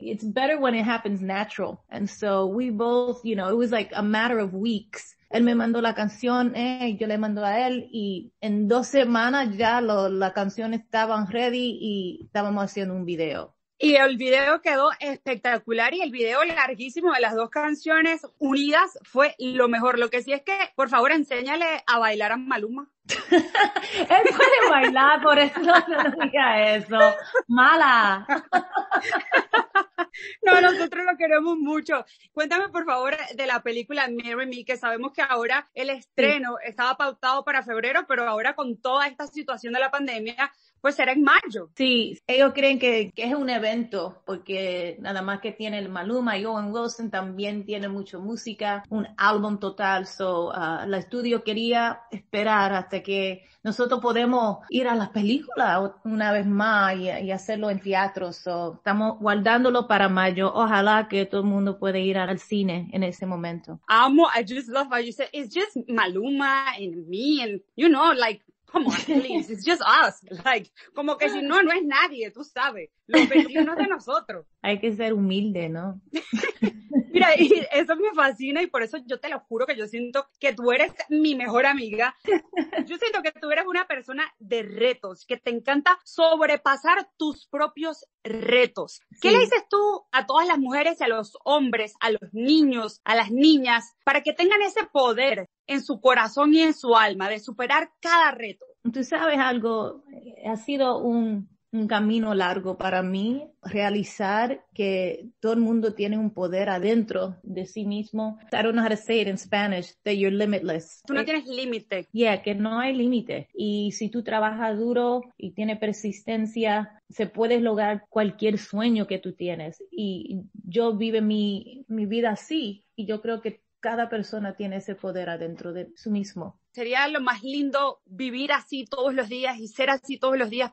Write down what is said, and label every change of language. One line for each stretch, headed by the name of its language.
English: It's better when it happens natural, and so we both, you know, it was like a matter of weeks.
Spanish: Él me mandó la canción, yo le mandó a él, y en dos semanas ya la canción estaba ready y estábamos haciendo un video. Y el video quedó espectacular, y el video larguísimo de las dos canciones unidas fue lo mejor. Lo que sí es que, por favor, enséñale a bailar a Maluma. Él puede bailar, por eso no diga eso. Mala. No, nosotros lo queremos mucho. Cuéntame, por favor, de la película Marry Me, que sabemos que ahora el estreno estaba pautado para febrero, pero ahora con toda esta situación de la pandemia, pues será en mayo. Sí, ellos creen que es un evento, porque nada más que tiene el Maluma y Owen Wilson también tiene mucha música, un álbum total. So, la estudio quería esperar hasta que nosotros podemos ir a las películas una vez más y hacerlo en teatro. So, estamos guardándolo para mayo. Ojalá que todo el mundo pueda ir al cine en ese momento.
English: Amo, I just love what you said. It's just Maluma and me and, you know, like, come on, please, it's just us.
Spanish: Like, como que si no, no es nadie, tú sabes. Los 21 de nosotros. Hay que ser humilde, ¿no? Mira, y eso me fascina, y por eso yo te lo juro que yo siento que tú eres mi mejor amiga. Yo siento que tú eres una persona de retos, que te encanta sobrepasar tus propios retos. ¿Qué sí. le dices tú a todas las mujeres, a los hombres, a los niños, a las niñas, para que tengan ese poder en su corazón y en su alma de superar cada reto? Tú sabes algo, ha sido un camino largo para mí realizar que todo el mundo tiene un poder adentro de sí mismo.
English: I don't know how to say it in Spanish, that you're limitless.
Spanish: Tú no tienes límite. Yeah, que no hay límite. Y si tú trabajas duro y tienes persistencia, se puede lograr cualquier sueño que tú tienes. Y yo vivo mi vida así, y yo creo que cada persona tiene ese poder adentro de sí mismo. Sería lo más lindo vivir así todos los días y ser así todos los días.